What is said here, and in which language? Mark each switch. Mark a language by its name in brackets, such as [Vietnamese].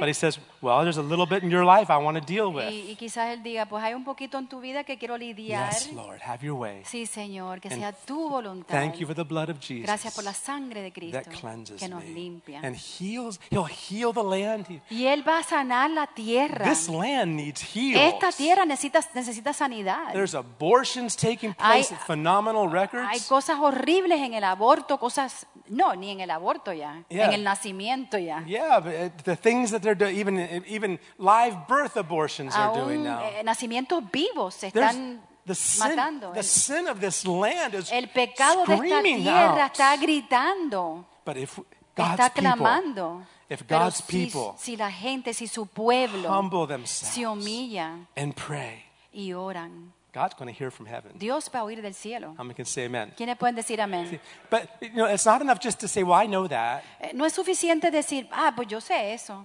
[English] but he says, well, there's a little bit in your life I want to deal with. [Spanish] Y quizás él diga, pues hay un poquito en tu vida que quiero lidiar. [English] Yes, Lord, have your way. [Spanish] Sí, Señor, que sea tu voluntad. [English] Thank you for the blood of Jesus. [Spanish] Gracias por la sangre de Cristo [English] that cleanses [Spanish] que nos limpia. [English] Me. And heals, he'll heal the land. [Spanish] Y él va a sanar la tierra. [English] This land needs healed. [Spanish] Esta tierra necesita sanidad. [English] There's abortions taking place at phenomenal records. [Spanish] Hay cosas horribles en el aborto, cosas no, ni en el aborto ya, yeah. En el nacimiento ya. [English] Yeah, but the things that they're doing, even live birth abortions [Spanish] aún, [English] are doing now. [Spanish] Nacimientos vivos se están [English] the sin, [Spanish] matando. [English] The sin of this land is [Spanish] el pecado [English] screaming [Spanish] de esta tierra [English] out. [Spanish] Está gritando. [English] But if God's [Spanish] está clamando. [English] People, if God's [Spanish] si, [English] people [Spanish] si la gente, si su pueblo [English] humble themselves [Spanish] se humilla, [English] and pray [Spanish] y oran. [English] God's going to hear from heaven. [Spanish] Dios va a oír del cielo. [English] How many can say amen? [Spanish] ¿Quiénes pueden decir amén? [English] But you know, it's not enough just to say, "Well, I know that." [Spanish] No es suficiente decir, ah, pues yo sé eso.